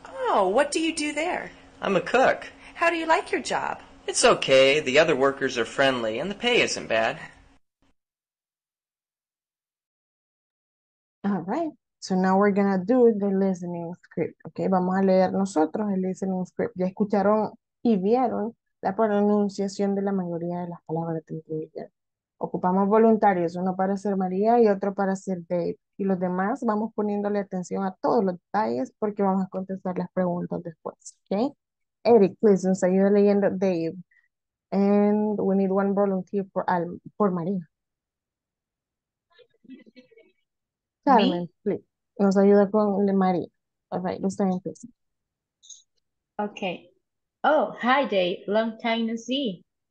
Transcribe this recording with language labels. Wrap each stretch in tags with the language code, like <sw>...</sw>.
<en>Oh, what do you do there? I'm a cook. How do you like your job? It's okay. The other workers are friendly, and the pay isn't bad. All right. So now we're going to do the listening script.</en> <es>Okay, vamos a leer nosotros el listening script. Ya escucharon y vieron la pronunciación de la mayoría de las palabras que incluyen. Ocupamos voluntarios, uno para ser María y otro para ser Dave. Y los demás vamos poniéndole atención a todos los detalles porque vamos a contestar las preguntas después. Okay. Eric, please, nos ayuda leyendo Dave.</es> <en>And we need one volunteer for for Maria. Carmen, please.</en> <es>Nos ayuda con Maria.</es> <en>All right, let's start, please. Okay. Oh, hi, Dave. Long time to see.</en>